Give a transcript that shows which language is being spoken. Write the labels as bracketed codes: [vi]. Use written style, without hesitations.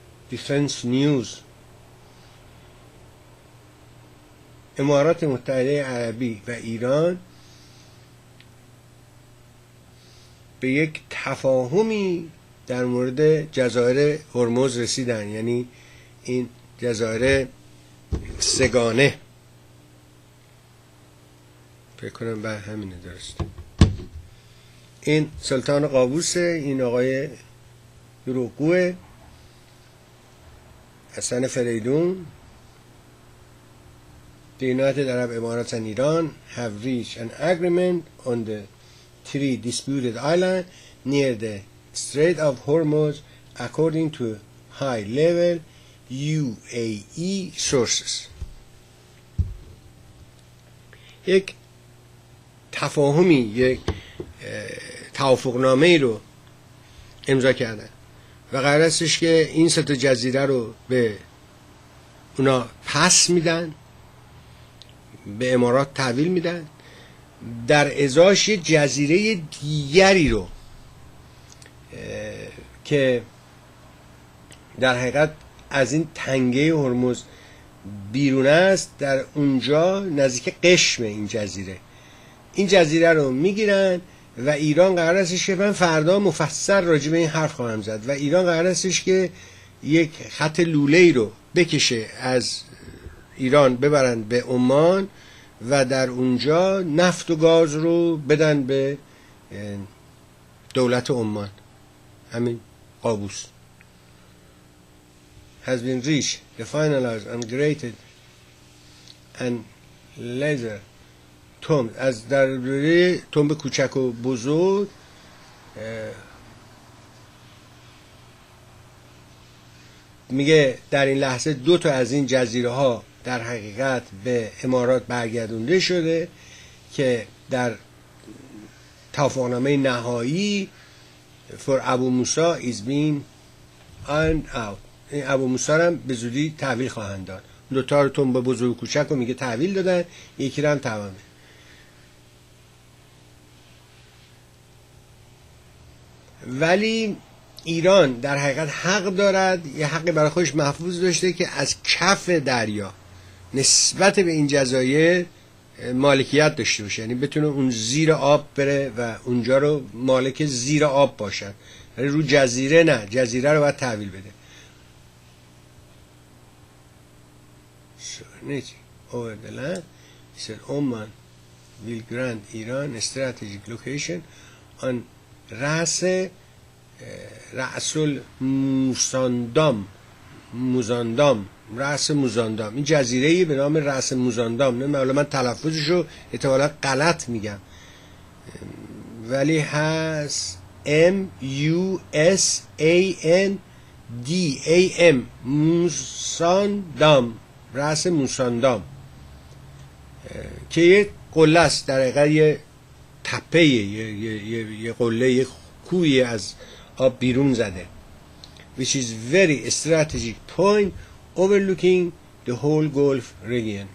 [fa] دیفنس نیوز، امارات متحده عربی و ایران به یک تفاهمی در مورد جزایر هرمز رسیدن، یعنی این جزایر سگانه بکنم به همینه درسته. این سلطان قابوسه، این آقای دروغگوه، حسن فریدون، [en] the United Arab Emirates and Iran have reached an agreement on the three disputed islands near the Strait of Hormuz, according to high-level UAE sources. [fa] یک تفاهمی، یک توافقنامه رو امضا کردن و قرار استش که این سه تا جزیره رو به اونا پس میدن، به امارات تحویل میدن، در ازاش یه جزیره دیگری رو که در حقیقت از این تنگه هرمز بیرون است، در اونجا نزدیک قشم این جزیره، این جزیره رو میگیرن و ایران قرار استش که من فردا مفصل راجع به این حرف خواهم زد و ایران قرار استش که یک خط لوله‌ای رو بکشه از ایران ببرن به عمان و در اونجا نفت و گاز رو بدن به دولت عمان، همین قابوس. [en] Has been reached the finalized and graded and laser tomb. [fa] از درباره تمب کوچک و بزرگ میگه در این لحظه دو تا از این جزیره ها در حقیقت به امارات برگردونده شده که در توافقنامه نهایی for ابو موسی [en] is being ironed out. [fa] این ابو موسی هم به زودی تحویل خواهند داد. دوتا رو تنبه بزرگ و کوچک رو میگه تحویل دادن، یکی رو هم تمامه. ولی ایران در حقیقت حق دارد، یه حقی برای خودش محفوظ داشته که از کف دریا نسبت به این جزایر مالکیت داشته باشه، یعنی بتونه اون زیر آب بره و اونجا رو مالک زیر آب باشد، ولی رو جزیره نه، جزیره رو باید تحویل بده. [en] Over the land, he said, Oman will grant Iran a strategic location on Ras Rasul Muzandam. Muzandam, Ras Muzandam. [fa] این جزیره‌ای به نام رأس موزاندام. نه معلومه من تلفظش رو احتمالاً غلط میگم. ولی هست M U S A N D A M Muzandam. رأس موساندام که یه قله است، در حقیقت یه تپه، یه قله، یه کوی از آب بیرون زده، [en] which is very strategic point overlooking the whole Gulf region.